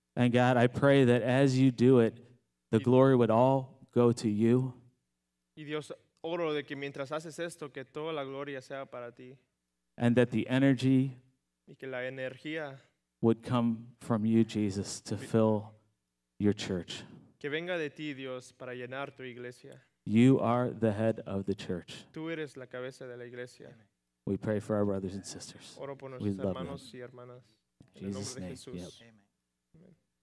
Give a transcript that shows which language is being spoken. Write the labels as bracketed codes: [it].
[en] And God, I pray that as you do it, the glory would all go to you. [es] Y Dios, oro de que mientras haces esto, que toda la gloria sea para ti. [en] And that the energy [es] y que la energía [en] would come from you, Jesus, to fill your church. [es] Que venga de ti, Dios, para llenar tu iglesia. [en] You are the head of the church. [es] Tú eres la cabeza de la iglesia. [en] We pray for our brothers and sisters. [es] Oro por nuestros hermanos y hermanas. [en] In Jesus' name, [es] Jesús. [en] Yep.